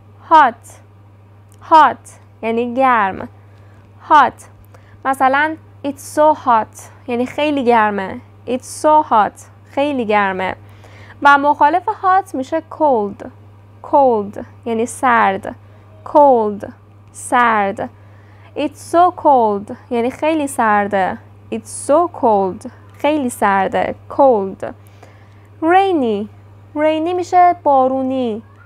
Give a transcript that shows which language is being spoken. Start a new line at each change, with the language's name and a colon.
Persian: hot یعنی گرم. hot مثلا
English: it's so hot
Persian: یعنی خیلی گرمه.
English: it's so hot
Persian: خیلی گرمه. و مخالف hot میشه cold. cold یعنی سرد. cold سرد.
English: It's so cold
Persian: یعنی خیلی سرده.
English: It's so cold
Persian: خیلی سرده.
English: cold.
Persian: rainy میشه بارونی.